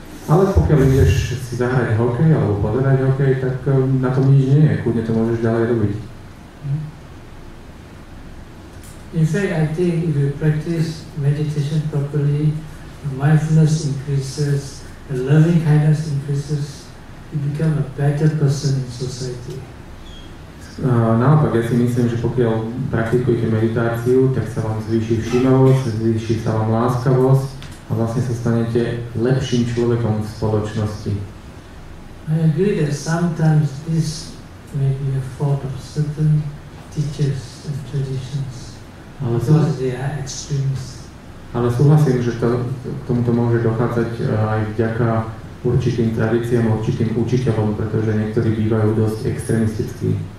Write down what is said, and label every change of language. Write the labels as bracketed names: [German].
[Slovak] Ale pokiaľ ideš si zahrať hokej alebo pozerať hokej, tak na tom nič nie je, kľudne to môžeš ďalej robiť. [English] In fact, I think if you practice meditation properly, the mindfulness increases, the loving kindness increases, you become a better person in society. [Slovak] Naopak, ja si myslím, že pokiaľ praktikujete meditáciu, tak sa vám zvýši všímavosť, zvýši sa vám láskavosť a vlastne sa stanete lepším človekom v spoločnosti. [English] I agree that sometimes this may be a fault of certain teachers and traditions. [Slovak] Ale súhlasím, že to, k tomuto môže dochádzať aj vďaka určitým tradíciám, určitým učiteľom, pretože niektorí bývajú dosť extrémistickí.